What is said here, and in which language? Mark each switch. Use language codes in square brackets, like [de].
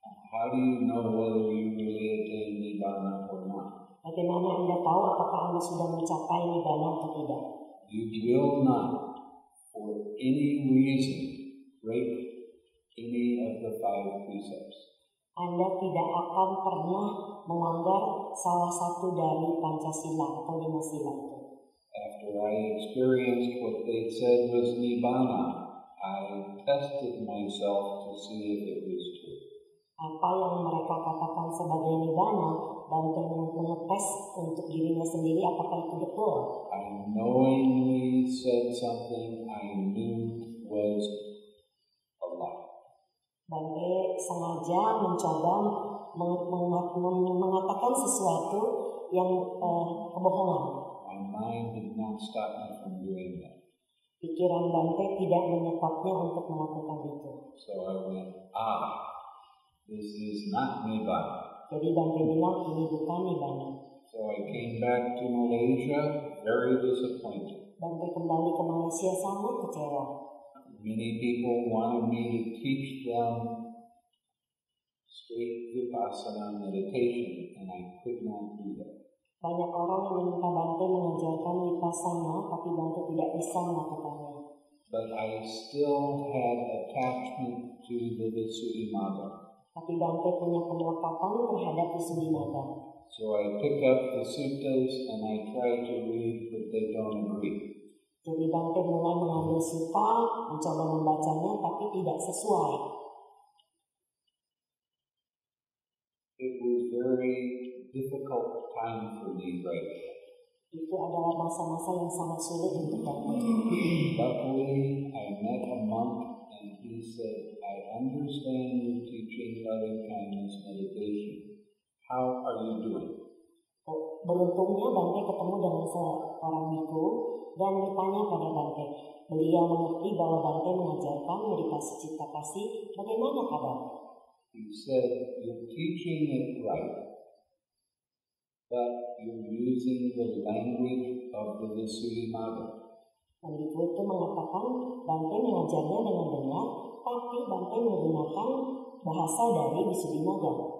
[en] How do you know whether you really attain Nibbana or not? [id] Bagaimana Anda tahu apakah Anda sudah mencapai Nibbana atau tidak? [en] You will not, for any reason, break any of the five precepts. [id] Anda tidak akan pernah melanggar salah satu dari Pancasila atau lima sila. [en] After I experienced what they said was Nibbana, I tested myself to see if it was true. [id] Apa yang mereka katakan sebagai Nibbana, dan mengetes untuk dirinya sendiri apakah itu betul. [en] I knowingly said something I knew was a lie. [id] Bhante sengaja mencoba mengatakan sesuatu yang kebohongan. [en] My mind did not stop me from doing that. [id] Pikiran Bhante tidak menyetopnya untuk melakukan itu. [en] So I went, this is not Nibbana. [id] Jadi Bhante bilang, ini bukan Nibbana. [en] So I came back to Malaysia very disappointed. [id] Bhante kembali ke Malaysia sangat kecewa. [en] Many people wanted me to teach them straight vipassana meditation, and I could not do that. [id] Banyak orang meminta Bhante mengajarkan vipassana, tapi Bhante tidak bisa melakukannya. [en] But I still had attachment to the Visuddhimagga. [id] Tapi Bhante punya kemelekatan terhadap Visuddhimagga. [en] So I pick up the suttas and I try to read, but they don't agree. [id] Jadi Bhante mulai mengambil sutta, mencoba membacanya, tapi tidak sesuai. [en] It was very difficult time for me right now. [id] Itu adalah masa-masa yang sangat sulit untuk Bhante. [en] Luckily, I met a monk and he said, I understand you teaching loving kindness meditation. How are you doing? [id] Beruntungnya Bhante ketemu dengan seorang biku dan ditanya pada Bhante. Beliau mengerti bahwa Bhante mengajarkan meditasi cipta kasih. Bagaimana kabar? [en] He said, you're teaching it right, but you're using the language of the Visuddhimagga. [id] Dan biku itu mengatakan Bhante mengajarnya dengan benar, tapi Bhante menggunakan bahasa dari Visuddhimagga.